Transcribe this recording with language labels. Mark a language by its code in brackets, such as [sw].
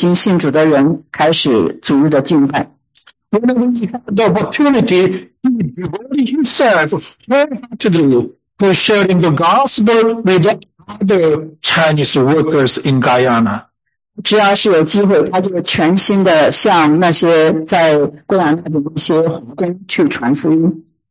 [zh] 当到达这个贵阳之后，他就立刻召集那些已经信主的人开始主日的敬拜。 [en] When he had the opportunity, he devoted himself wholeheartedly to sharing the gospel with other Chinese workers in Guyana. [zh] 只要是有机会，他就全心的向那些在贵阳那边的一些华工去传福音。